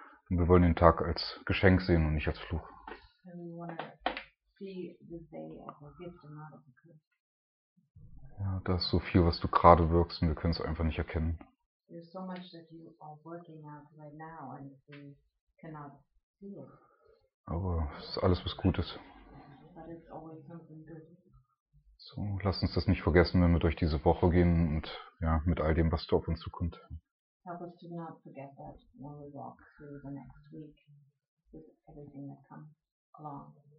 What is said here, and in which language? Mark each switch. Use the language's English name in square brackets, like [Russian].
[German] Und wir wollen den Tag als Geschenk sehen und nicht als Fluch. [English] And we want to see this day as a gift and not as a curse. [German] Ja, da ist so viel, was du gerade wirkst und wir können es einfach nicht erkennen. [English] So much that you are working out right now and we cannot feel. [German] Aber es ist alles, was gut ist. [English] But it's always something good. [German] So, lass uns das nicht vergessen, wenn wir durch diese Woche gehen und ja, mit all dem, was du auf uns zukommt. [English] Help us to not forget that when we walk through the next week with everything that comes along.